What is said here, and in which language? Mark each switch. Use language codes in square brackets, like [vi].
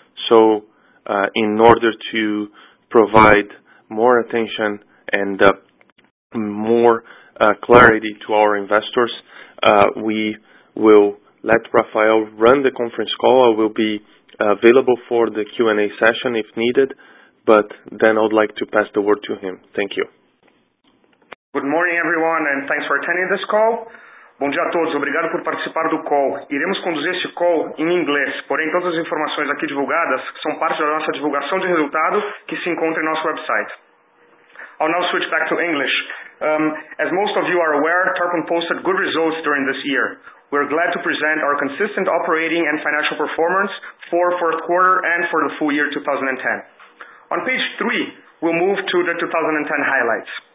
[en] So in order to provide more attention and more clarity to our investors, we will let Rafael run the conference call. I will be available for the Q&A session if needed, but then I would like to pass the word to him. Thank you. Good morning, everyone, and thanks for attending this call. [pt] Bom dia a todos, obrigado por participar do call. Iremos conduzir este call em inglês, porém todas as informações aqui divulgadas são parte da nossa divulgação de resultado que se encontra em nosso website. [en] I'll now switch back to English. As most of you are aware, Tarpon posted good results during this year. We're glad to present our consistent operating and financial performance for fourth quarter and for the full year 2010. On page 3, we'll move to the 2010 highlights.